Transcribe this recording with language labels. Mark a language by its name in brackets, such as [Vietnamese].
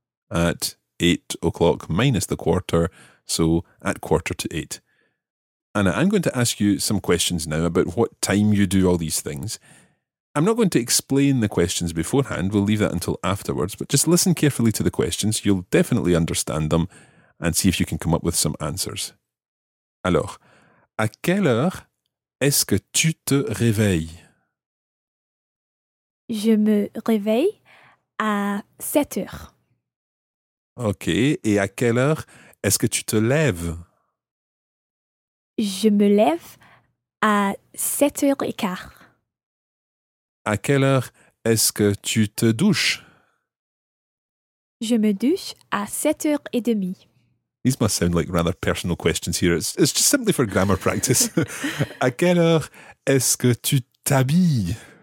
[English] At 8 o'clock, minus the quarter. So, at quarter to 8. Anna, I'm going to ask you some questions now about what time you do all these things. I'm not going to explain the questions beforehand. We'll leave that until afterwards. But just listen carefully to the questions. You'll definitely understand them and see if you can come up with some answers. [French] Alors, à quelle heure est-ce que tu te réveilles? Je me réveille à 7 heures. Ok, et à quelle heure est-ce que tu te lèves? Je me lève à 7h15. À quelle heure est-ce que tu te douches? Je me douche à 7h30. [English] These must sound like rather personal questions here. It's just simply for grammar practice. [French] À quelle heure est-ce que tu t'habilles?